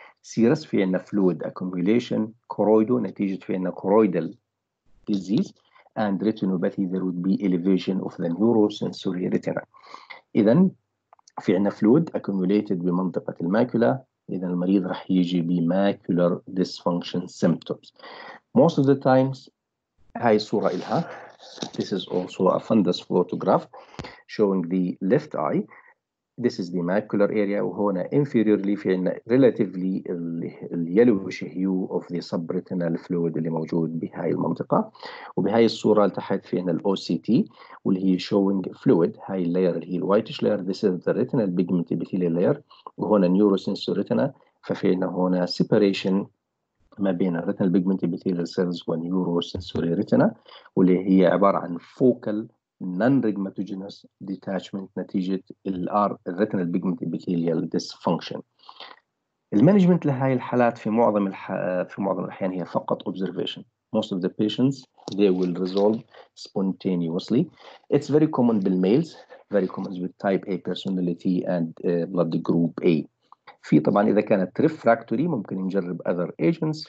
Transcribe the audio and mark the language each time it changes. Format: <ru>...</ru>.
<en>serous</en> <ar>في عنا</ar> <en>fluid accumulation, choroido</en> <ar>نتيجة في عنا</ar> <en>choroidal disease, and retinopathy there would be elevation of the neurosensory retina.</en> <ar>إذا في عنا fluid accumulated بمنطقة الماكولا, إذا المريض رح يجي بـ macular dysfunction symptoms.</ar> <en>Most of the times,</en> <ar>هاي الصورة إلها.</ar> <en>This is also a fundus photograph showing the left eye. This is the macular area.</en> <ar>وهنا</ar> <en>inferiorly</en> <ar>في عنا</ar> <en>relatively yellowish hue of the subretinal fluid</en> <ar>اللي موجود بهاي المنطقة. وبهاي الصورة لتحت في عنا OCT واللي هي</ar> <en>showing fluid.</en> <ar>هاي layer اللي هي</ar> <en>whitish layer. This is the retinal pigment epithelial layer.</en> <ar>وهنا</ar> <en>neurosensory retina.</en> <ar>ففي عنا هنا separation ما بين retinal pigment epithelial cells والneurosensory retina واللي هي عبارة عن focal non-rigmatogenous detachment نتيجة الـ retinal pigment epithelial dysfunction. المانجمنت لهاي الحالات في معظم الأحيان هي فقط observation.</ar> <en>Most of the patients they will resolve spontaneously. It's very common with males, very common with type A personality and blood group A.</en> <ar>في طبعا إذا كانت refractory ممكن نجرب</ar> <en>other agents.</en>